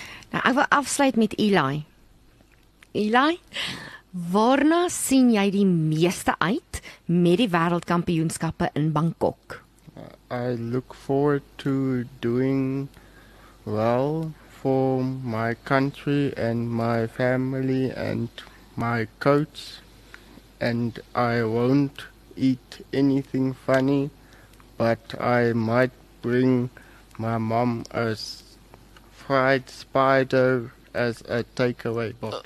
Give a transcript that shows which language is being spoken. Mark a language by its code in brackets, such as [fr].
[af] Nou, ek wil afsluit met Eli. Eli, waarna sien jy die meeste uit met die wêreldkampioenskappe in Bangkok? [en] I look forward to doing well for my country and my family and my coach. And I won't eat anything funny, but I might bring my mom a fried spider as a takeaway box.